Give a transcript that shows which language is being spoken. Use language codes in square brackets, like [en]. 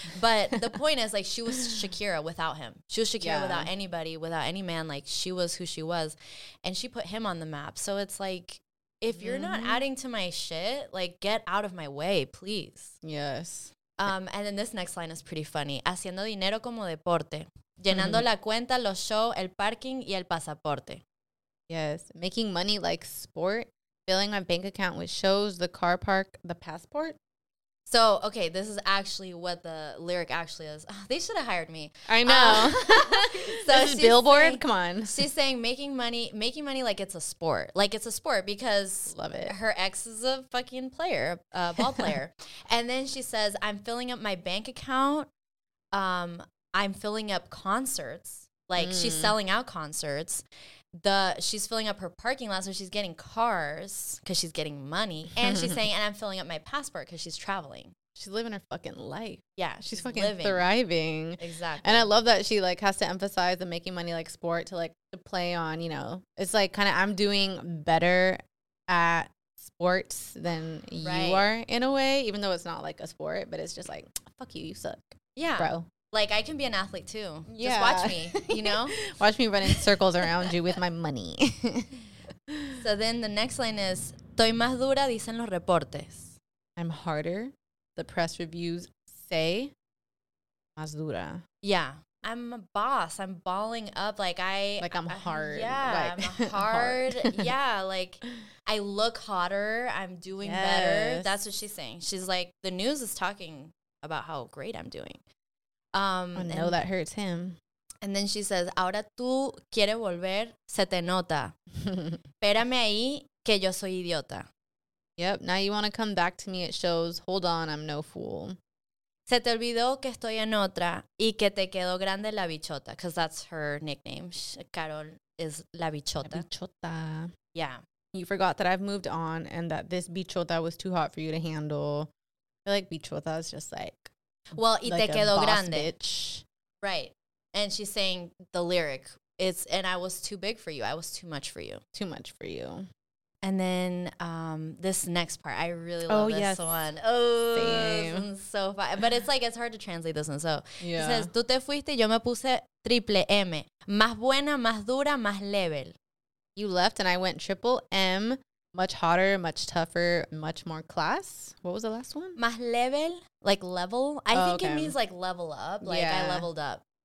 [en] But the point is like she was Shakira without him. She was Shakira without anybody, without any man. Like she was who she was. And she put him on the map. So it's like if you're not adding to my shit, like get out of my way, please. Yes. And then this next line is pretty funny. [es] Haciendo dinero como deporte. Llenando la cuenta, los show, el parking y el pasaporte. [en] Yes. Making money like sport. Filling my bank account with shows, the car park, the passport. So, okay, this is actually what the lyric actually is. Oh, they should have hired me. I know. so this is billboard? Saying, come on. She's saying making money like it's a sport. Like it's a sport because love it. Her ex is a fucking player, a ball player. And then she says, I'm filling up my bank account. I'm filling up concerts. Like she's selling out concerts. She's filling up her parking lot, so she's getting cars because she's getting money. And she's saying, and I'm filling up my passport because she's traveling. She's living her fucking life. Yeah. She's fucking living. Thriving. Exactly. And I love that she, like, has to emphasize the making money, like, sport to, like, to play on, you know. It's, like, kind of I'm doing better at sports than you are in a way, even though it's not, like, a sport. But it's just, like, fuck you. You suck. Yeah. Bro. Like, I can be an athlete, too. Yeah. Just watch me, you know? Watch me run in circles around you with my money. So then the next line is, [es] estoy más dura, dicen los reportes. [en] I'm harder. The press reviews say, [es] más dura. [en] Yeah. I'm a boss. I'm balling up. Like, I'm hard. Yeah, like, I'm hard. Yeah, like, I look hotter. I'm doing better. That's what she's saying. She's like, the news is talking about how great I'm doing. I know that hurts him. And then she says, [es] ahora tú quieres volver, se te nota. Espérame ahí, que yo soy idiota. [en] Yep, now you want to come back to me, it shows, hold on, I'm no fool. [es] Se te olvidó que estoy en otra y que te quedó grande la bichota, [en] because that's her nickname. Carol is la bichota. [es] La bichota. [en] Yeah. You forgot that I've moved on and that this bichota was too hot for you to handle. I feel like bichota is just like... Well, [es] y like te quedó grande. [en] Bitch. Right. And she's saying the lyric. It's, and I was too big for you. I was too much for you. Too much for you. And then this next part. I really love this one. Oh, so fun. But it's like, it's hard to translate this one. So yeah. She says, [es] tú te fuiste, yo me puse triple M. Más buena, más dura, más level. [en] You left and I went triple M. Much hotter, much tougher, much more class. What was the last one? [es] Más level, [en] like level. I think it means like level up, like I leveled up.